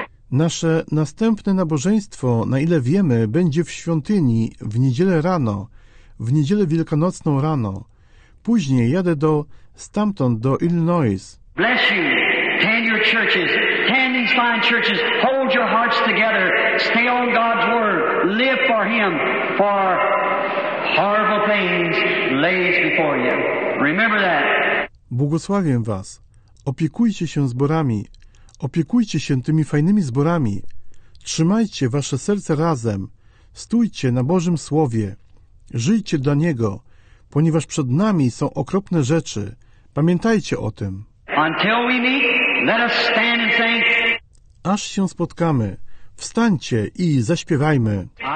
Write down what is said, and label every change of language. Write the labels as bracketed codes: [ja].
[pl] Nasze następne nabożeństwo, na ile wiemy, będzie w świątyni w niedzielę rano, w niedzielę wielkanocną rano. Później jadę do stamtąd, do Illinois. [en] Bless you. Tend your churches. Tend these fine churches. Hold your hearts together. Stay on God's word. Live for Him. For horrible things lays before you. Remember that. [pl] Błogosławię Was. Opiekujcie się zborami. Opiekujcie się tymi fajnymi zborami. Trzymajcie wasze serce razem. Stójcie na Bożym Słowie. Żyjcie dla Niego, ponieważ przed nami są okropne rzeczy. Pamiętajcie o tym. [en] Until we meet, let us stand and sing. [pl] Aż się spotkamy, wstańcie i zaśpiewajmy.